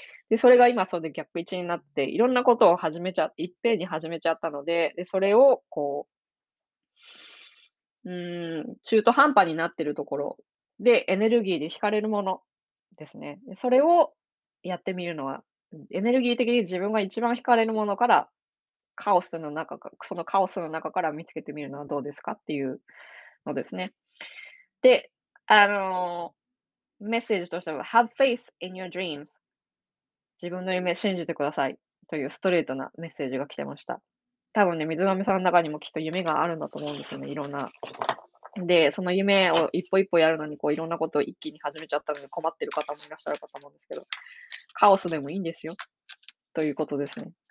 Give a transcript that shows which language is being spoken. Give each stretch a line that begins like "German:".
Japanese: で、それが今、それで逆位置になって、いろんなことを始めちゃ、いっぺんに始めちゃったので、で、それを、こう、中途半端になっているところで、エネルギーで惹かれるものですね。で、それをやってみるのは、エネルギー的に自分が一番惹かれるものから、カオスの中か、そのカオスの中から見つけてみるのはどうですかっていうのですね。で、メッセージとしては、
English: Have faith in your dreams。
Japanese: 自分の夢信じてください。というストレートなメッセージが来てました。多分ね、水瓶さんの中にもきっと夢があるんだと思うんですよね、いろんな。で、その夢を一歩一歩やるのに、こういろんなことを一気に始めちゃったので困ってる方もいらっしゃるかと思うんですけど、カオスでもいいんですよ。ということですね。